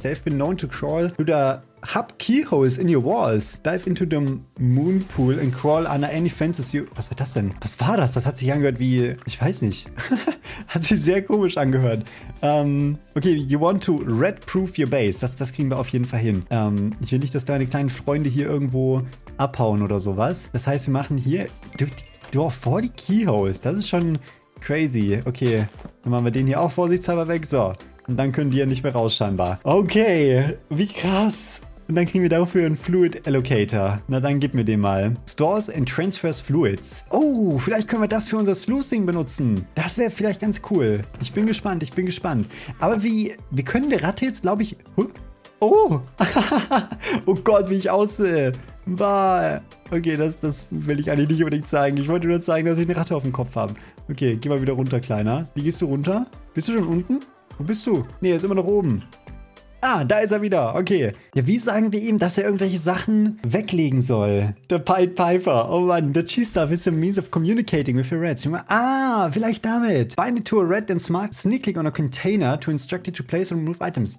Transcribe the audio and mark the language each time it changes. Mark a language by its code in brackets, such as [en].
[en] They have been known to crawl through the hub keyholes in your walls. Dive into the moon pool and crawl under any fences you... [de] Was war das denn? Was war das? Das hat sich angehört wie... Ich weiß nicht. Hat sich sehr komisch angehört. [en] Okay, you want to rat-proof your base. [de] Das kriegen wir auf jeden Fall hin. Ich will nicht, dass deine kleinen Freunde hier irgendwo abhauen oder sowas. Das heißt, wir machen hier durch vor die Keyholes. Das ist schon crazy. Okay, dann machen wir den hier auch vorsichtshalber weg. So, und dann können die ja nicht mehr raus scheinbar. Okay, wie krass. Und dann kriegen wir dafür einen Fluid Allocator. Na, dann gib mir den mal. [en] Stores and transfers fluids. [de] Oh, vielleicht können wir das für unser Sluicing benutzen. Das wäre vielleicht ganz cool. Ich bin gespannt. Aber wie können die Ratte jetzt, glaube ich... Huh? Oh! Oh Gott, wie ich aussehe. Bah. Okay, das will ich eigentlich nicht unbedingt zeigen. Ich wollte nur zeigen, dass ich eine Ratte auf dem Kopf habe. Okay, geh mal wieder runter, Kleiner. Wie gehst du runter? Bist du schon unten? Wo bist du? Nee, er ist immer noch oben. Ah, da ist er wieder. Okay. Ja, wie sagen wir ihm, dass er irgendwelche Sachen weglegen soll? Der Pied Piper. Oh Mann, der [en] Cheester is a means of communicating with your rats. [de] Ah, vielleicht damit. [en] Bind it to a rat and smart sneaking on a container to instruct it to place and remove items.